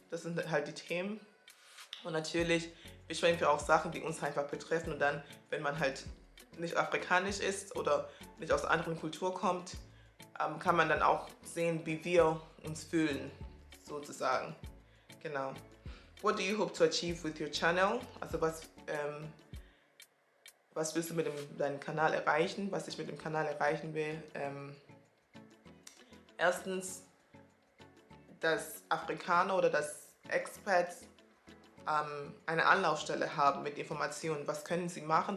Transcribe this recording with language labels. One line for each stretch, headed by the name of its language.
German: Das sind halt die Themen. Und natürlich besprechen wir auch Sachen, die uns einfach betreffen. Und dann, wenn man halt nicht afrikanisch ist oder nicht aus einer anderen Kultur kommt, kann man dann auch sehen, wie wir uns fühlen, sozusagen. Genau.
English: What do you hope to achieve with your channel?
German: Also was willst du mit deinem Kanal erreichen? Was ich mit dem Kanal erreichen will? Erstens, dass Afrikaner oder dass Expats eine Anlaufstelle haben mit Informationen. Was können sie machen?